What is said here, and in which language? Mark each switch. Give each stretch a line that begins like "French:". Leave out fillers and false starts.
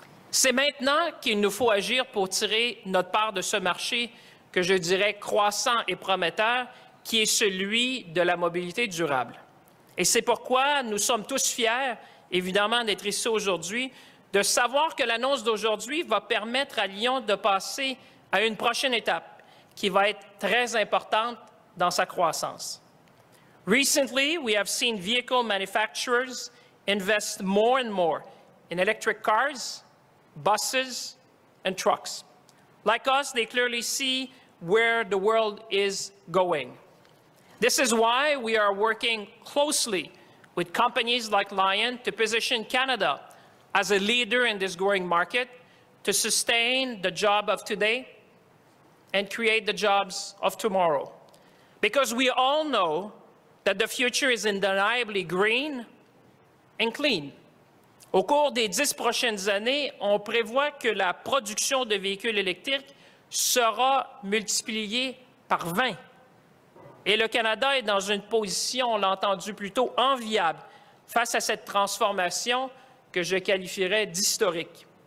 French: C'est maintenant qu'il nous faut agir pour tirer notre part de ce marché que je dirais croissant et prometteur, qui est celui de la mobilité durable. Et c'est pourquoi nous sommes tous fiers, évidemment, d'être ici aujourd'hui, de savoir que l'annonce d'aujourd'hui va permettre à Lyon de passer à une prochaine étape qui va être très importante dans sa croissance.
English: Recently, we have seen vehicle manufacturers invest more and more in electric cars, buses, and trucks. Like us, they clearly see where the world is going. This is why we are working closely with companies like Lion to position Canada as a leader in this growing market to sustain the job of today and create the jobs of tomorrow. Because we all know that the future is undeniably green and clean.
French: Au cours des 10 prochaines années, on prévoit que la production de véhicules électriques sera multipliée par 20. Et le Canada est dans une position, on l'a entendu plus tôt, enviable face à cette transformation que je qualifierais d'historique.